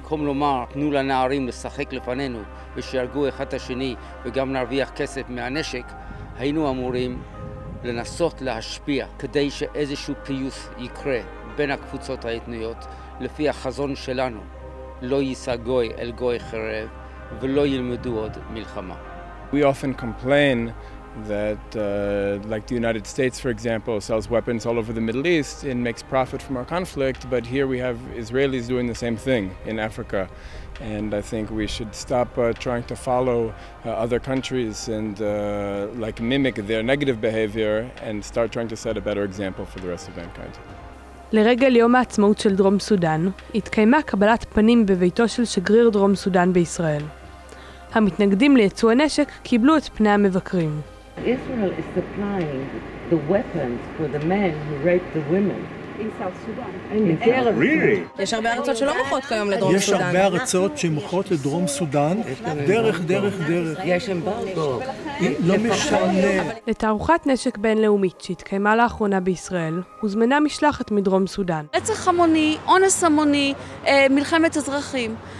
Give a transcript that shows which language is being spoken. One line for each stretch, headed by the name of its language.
Hebrew: במקום לומר, תנו לנערים לשחק לפנינו ושירגו אחד את השני וגם נרוויח כסף מהנשק, היינו אמורים לנסות להשפיע כדי שאיזשהו פיוס יקרה בין הקבוצות האתניות לפי החזון שלנו. לא יישא גוי אל גוי חרב ולא ילמדו עוד מלחמה.
English: We often complain that like the United States, for example, sells weapons all over the Middle East and makes profit from our conflict, but here we have Israelis doing the same thing in Africa, and I think we should stop trying to follow other countries and like mimic their negative behavior and start trying to set a better example for the rest of mankind.
Hebrew: לרגל יום העצמאות של דרום סודן התקיימה קבלת פנים בביתו של שגריר דרום סודן בישראל. המתנגדים ליצוא הנשק קיבלו את פני המבקרים.
English: Israel is supplying the weapons for the men who raped the women.
Hebrew: יש הרבה ארצות שלא מוכרות כיום לדרום סודן. יש הרבה ארצות שמוכרות לדרום סודן דרך. יש אמברגו. לא משנה. לתערוכת נשק בינלאומית שהתקיימה לאחרונה בישראל, הוזמנה משלחת מדרום סודן. רצח המוני, אונס המוני, מלחמת אזרחים.